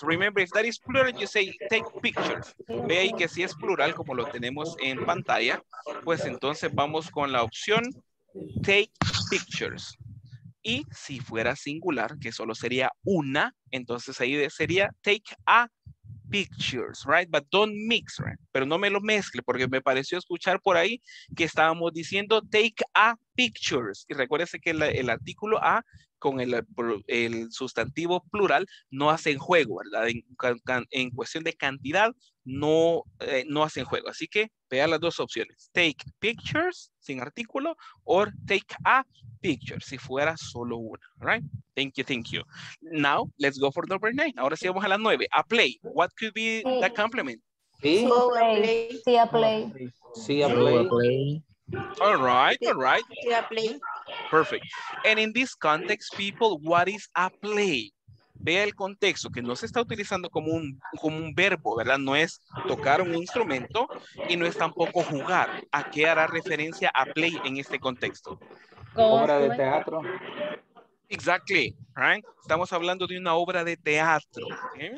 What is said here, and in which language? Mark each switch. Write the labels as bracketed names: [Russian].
[English] Remember, if that is plural, you say take pictures. [Spanish] Ve ahí que si es plural, como lo tenemos en pantalla, pues entonces vamos con la opción take pictures. Y si fuera singular, que solo sería una, entonces ahí sería [English] take a pictures, right? But don't mix, right? [Spanish] Pero no me lo mezcle, porque me pareció escuchar por ahí que estábamos diciendo take a pictures. Y recuérdese que el artículo a con el sustantivo plural no hacen juego, ¿verdad? En cuestión de cantidad no hacen juego. Así que vea las dos opciones. [English] Take pictures, [Spanish] sin artículo, [English] or take a picture, [Spanish] si fuera solo una, [English] right? Thank you. Now, let's go for number nine. [Spanish] Ahora sí vamos a la nueve. [English] A play. What could be the complement? See a play. All right. See a play. Perfect. And in this context, people, what is a play? [Spanish] Vea el contexto, que no se está utilizando como un verbo, ¿verdad? No es tocar un instrumento y no es tampoco jugar. ¿A qué hará referencia a play en este contexto? Obra de teatro. [English] Exactly, right? [Spanish] Estamos hablando de una obra de teatro, ¿eh?